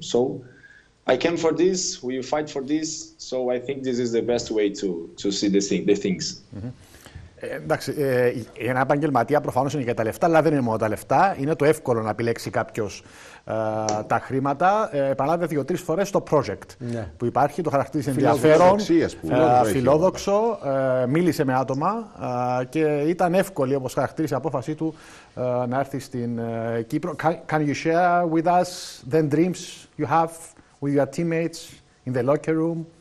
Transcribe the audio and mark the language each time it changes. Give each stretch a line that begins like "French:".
English: So I came for this, we fight for this, so I think this is the best way to see the things.
Greek: Εντάξει, για ένα επαγγελματία προφανώς είναι και τα λεφτά, αλλά δεν είναι μόνο τα λεφτά. Είναι το εύκολο να επιλέξει κάποιος τα χρήματα. Επανάλαβε 2-3 φορές το project που υπάρχει, το χαρακτήρισε ενδιαφέρον, φιλόδοξο, μίλησε με άτομα και ήταν εύκολη, όπως χαρακτήρισε, η απόφασή του να έρθει στην Κύπρο.
English: Can you share with us the dreams you have with your teammates in the locker room?